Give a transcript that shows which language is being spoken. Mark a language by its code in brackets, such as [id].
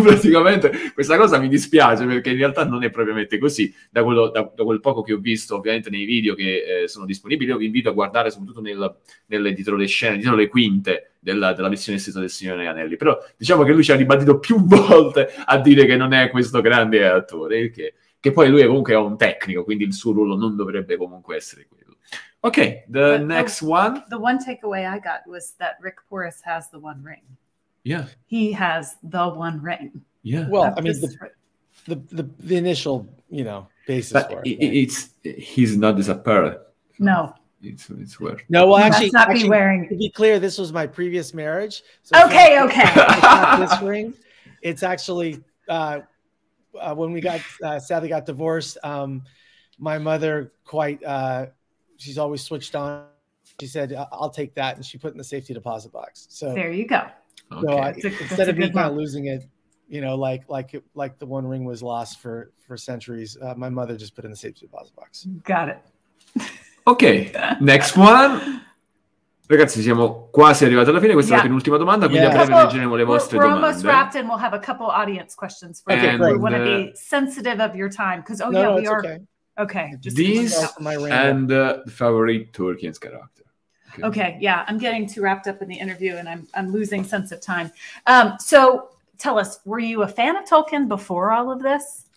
[it] Praticamente questa cosa mi dispiace, perché in realtà non è propriamente così, da quel poco che ho visto ovviamente nei video che sono disponibili. Io vi invito a guardare soprattutto nel dietro le scene, dietro le quinte della missione estesa del Signore degli Anelli. Però diciamo che lui ci ha ribadito più volte a dire che non è questo grande attore, che poi lui comunque è un tecnico, quindi il suo ruolo non dovrebbe comunque essere questo. [en] Okay, The one takeaway I got was that Rick Porras has the one ring. Yeah. He has the one ring. Yeah. Well, I mean, the initial, you know, basis but for it. It's, he's not this apparel. No. It's weird. No, well, actually, to be clear, this was my previous marriage. So okay, it's not, okay. It's not this ring. It's actually, when we got, sadly got divorced, my mother quite... she's always switched on. She said, I'll take that. And she put in the safety deposit box. So there you go. So okay. Instead of me kind of losing it, you know, like the one ring was lost for centuries, my mother just put in the safety deposit box. Got it. Okay. Next one. [it] Ragazzi, siamo quasi arrivati alla fine. Questa è la penultima domanda, quindi a breve leggeremo le vostre domande. [en] We're almost wrapped and we'll have a couple audience questions for you. Okay, we want to be sensitive of your time. Okay. These and favorite Tolkien's character. Okay. Yeah, I'm getting too wrapped up in the interview, and I'm losing sense of time. So, tell us, were you a fan of Tolkien before all of this?